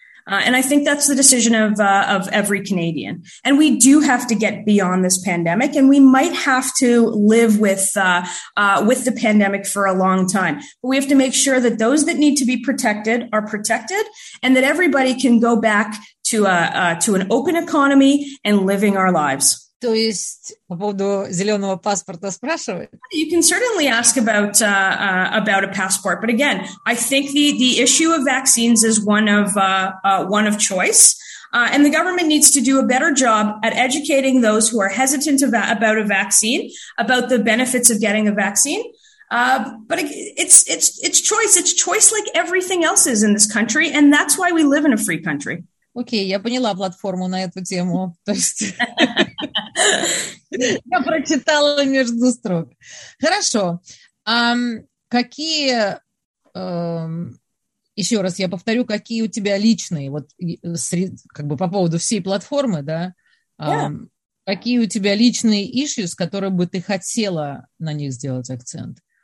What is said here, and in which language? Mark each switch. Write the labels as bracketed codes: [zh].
[en] And I think that's the decision of every Canadian. And we do have to get beyond this pandemic, and we might have to live with the pandemic for a long time. But we have to make sure that those that need to be protected are protected, and that everybody can go back to an open economy and living our lives. [ru] То есть по поводу зеленого паспорта спрашивают? [en] You can certainly ask about a passport, but again, I think the issue of vaccines is one of choice, and the government needs to do a better job at educating those who are hesitant about a vaccine, about the benefits of getting a vaccine. But it's choice. It's choice like everything else is in this country, and that's why we live in a free country. [ru] Окей, я поняла платформу на эту тему. То есть я прочитала между строк. Хорошо. Какие, еще раз я повторю, какие у тебя личные, вот как бы по поводу всей платформы, да, какие у тебя личные issues, которые бы ты хотела на них сделать акцент?